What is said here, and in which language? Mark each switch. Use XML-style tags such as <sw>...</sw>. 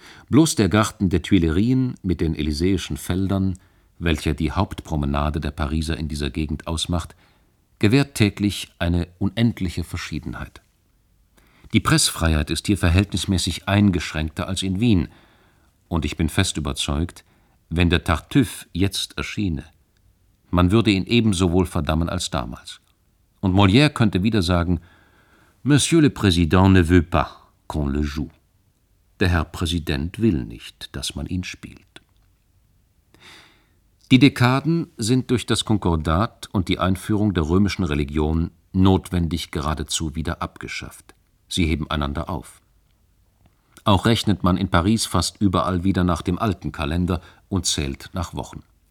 <de>Bloß der Garten der Tuilerien mit den elysäischen Feldern, welcher die Hauptpromenade der Pariser in dieser Gegend ausmacht, gewährt täglich eine unendliche Verschiedenheit. Die Pressfreiheit ist hier verhältnismäßig eingeschränkter als in Wien, und ich bin fest überzeugt, wenn der Tartuffe jetzt erschiene, man würde ihn ebenso wohl verdammen als damals. Und Molière könnte wieder sagen,</de> <fr>Monsieur le Président ne veut pas qu'on le joue.</fr> <de>Der Herr Präsident will nicht, dass man ihn spielt. Die Dekaden sind durch das Konkordat und die Einführung der römischen Religion notwendig geradezu wieder abgeschafft. Sie heben einander auf. Auch rechnet man in Paris fast überall wieder nach dem alten Kalender und zählt nach Wochen.</de>